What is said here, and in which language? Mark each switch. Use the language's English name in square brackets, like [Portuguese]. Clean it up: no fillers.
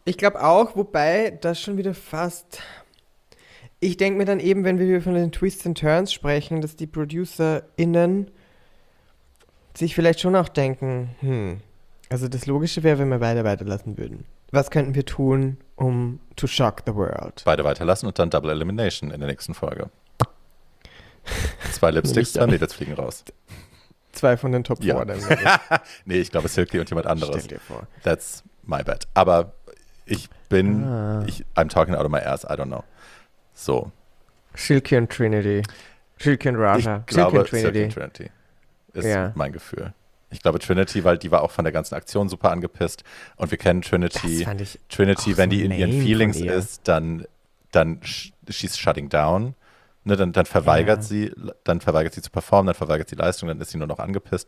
[German] Ich glaube auch, wobei das schon wieder fast. Ich denke mir dann eben, wenn wir von den [English] Twists and Turns [German] sprechen, dass die ProducerInnen sich vielleicht schon auch denken, also das Logische wäre, wenn wir beide weiterlassen würden. Was könnten wir tun, um [English] to shock the world? [German] Beide weiterlassen und dann Double Elimination in der nächsten Folge. Zwei Lipsticks, zwei Mädels fliegen raus. Zwei von den Top 4. Dann, nee, ich glaube, Silky und jemand anderes. Stell dir vor. [English] That's my bad. [German] Aber ich bin, [English] I'm talking out of my ass, I don't know. [German] So. Silky und Trinity. Silky und Raja. Ich glaube, Silky und Trinity ist mein Gefühl. Ich glaube, Trinity, weil die war auch von der ganzen Aktion super angepisst. Und wir kennen Trinity. Das fand ich Trinity, wenn so die in ihren Feelings ist, dann [English] she's shutting down. [German] Ne, dann verweigert sie zu performen, dann verweigert sie Leistung, dann ist sie nur noch angepisst.